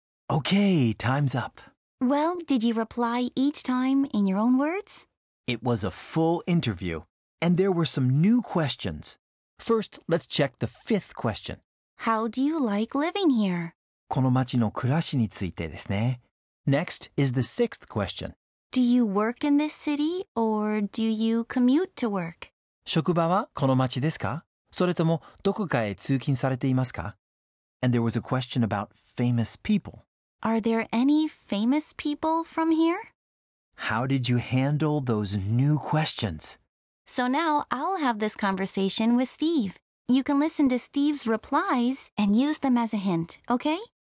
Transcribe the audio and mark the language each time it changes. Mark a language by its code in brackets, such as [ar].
[en] Okay, time's up. Well, did you reply each time in your own words? It was a full interview, and there were some new questions. First, let's check the fifth question. How do you like living here? [ja] この町の暮らしについてですね。 [en] Next is the sixth question. Do you work in this city or do you commute to work? [ja] 職場はこの町ですか? それともどこかへ通勤されていますか? [en] And there was a question about famous people. Are there any famous people from here? How did you handle those new questions? So now I'll have this conversation with Steve. You can listen to Steve's replies and use them as a hint, okay?